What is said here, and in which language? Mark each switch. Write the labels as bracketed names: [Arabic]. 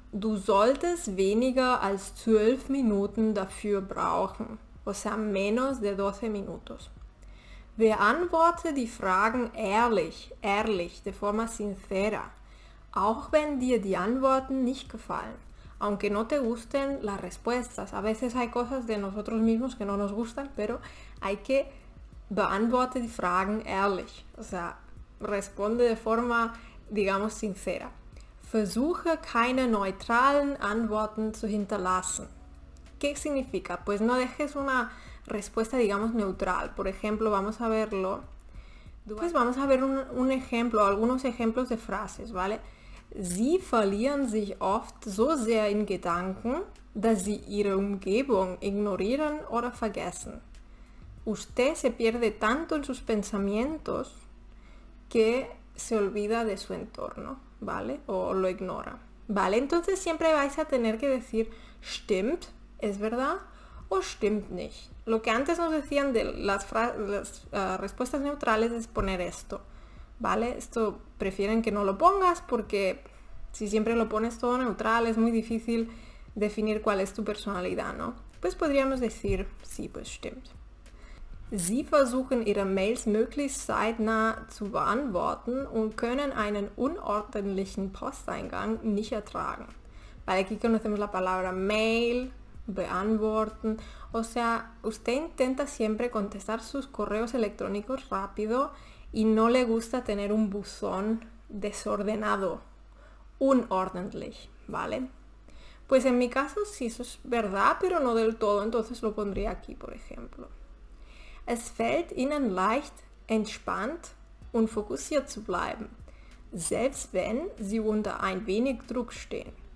[German] Du solltest weniger als 12 Minuten dafür brauchen. [Spanish] O sea, menos de 12 minutos. [German] Beantworte die Fragen ehrlich, [Spanish] de forma sincera. [German] Auch wenn dir die Antworten nicht gefallen. [Spanish] Aunque no te gusten las respuestas. A veces hay cosas de nosotros mismos que no nos gustan, pero hay que [German] beantworte die Fragen ehrlich. [Spanish] O sea, responde de forma, digamos, sincera. [German] Versuche keine neutralen Antworten zu hinterlassen. [Spanish] ¿Qué significa? Pues no dejes una respuesta, digamos, neutral. Por ejemplo, vamos a verlo. Pues vamos a ver un ejemplo, algunos ejemplos de frases, ¿vale? [German] Sie verlieren sich oft so sehr in Gedanken, dass sie ihre Umgebung ignorieren oder vergessen. [Spanish] Usted se pierde tanto en sus pensamientos que se olvida de su entorno. ¿Vale? O lo ignora. ¿Vale? Entonces siempre vais a tener que decir, ¿stimmt? ¿Es verdad? ¿O [German] stimmt nicht? [Spanish] Lo que antes nos decían de las respuestas neutrales es poner esto. ¿Vale? Esto prefieren que no lo pongas porque si siempre lo pones todo neutral es muy difícil definir cuál es tu personalidad, ¿no? Pues podríamos decir, sí, pues stimmt. [German] Sie versuchen ihre Mails möglichst zeitnah zu beantworten und können einen unordentlichen Posteingang nicht ertragen. [Spanish] Vale, aquí conocemos la palabra mail, beantworten. O sea, usted intenta siempre contestar sus correos electrónicos rápido y no le gusta tener un buzón desordenado. Unordentlich, ¿vale? Pues en mi caso sí, eso es verdad, pero no del todo, entonces lo pondría aquí, por ejemplo. [German] Es fällt Ihnen leicht, entspannt und fokussiert zu bleiben, selbst wenn Sie unter ein wenig Druck stehen.